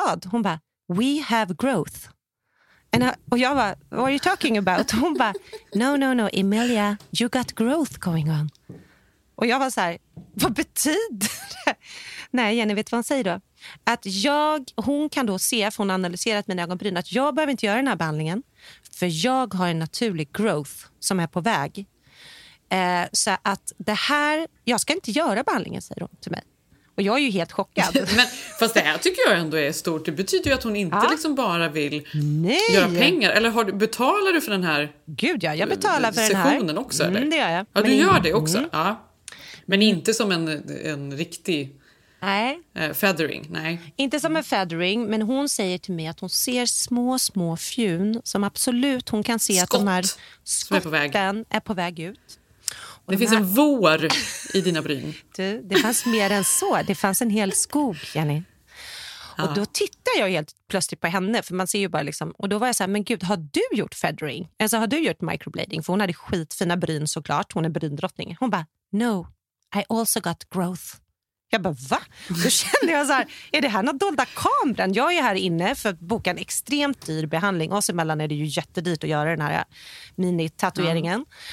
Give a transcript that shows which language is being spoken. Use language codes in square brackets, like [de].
[sv] Hon bara, [en] we have growth. [sv] Och jag bara, [en] what are you talking about? [sv] Hon bara, [en] no, Emilia, you got growth going on. [sv] Och jag var så här, vad betyder det? Nej, Jenny, vet vad hon säger då? Att hon kan då se, för hon har analyserat mina ögonbryn, att jag behöver inte göra den här behandlingen, för jag har en naturlig growth som är på väg. Så att det här, jag ska inte göra behandlingen, säger hon till mig. Och jag är ju helt chockad. Men, fast det här tycker jag ändå är stort. Det betyder ju att hon inte liksom bara vill göra pengar. Eller betalar du för den här sessionen också? Gud ja, jag betalar för den här. Också, det gör jag. Ja, men du gör det också. Mm. Ja. Men inte som en riktig feathering. Nej. Inte som en feathering, men hon säger till mig att hon ser små, små fjun. Som absolut, hon kan se att de här skotten är på väg ut. Det finns en vår i dina bryn. Du, det fanns mer än så. Det fanns en hel skog, Jenny. Och då tittar jag helt plötsligt på henne. För man ser ju bara liksom... Och då var jag så här, men gud, har du gjort feathering? Alltså, har du gjort microblading? För hon hade skitfina bryn såklart. Hon är bryndrottning. Hon bara, [en] no, I also got growth. [sv] Jag bara, va? Då kände jag så här, är det här något dolda kameran? Jag är här inne för att boka en extremt dyr behandling. Oss emellan är det ju jättedyrt att göra den här mini-tatueringen.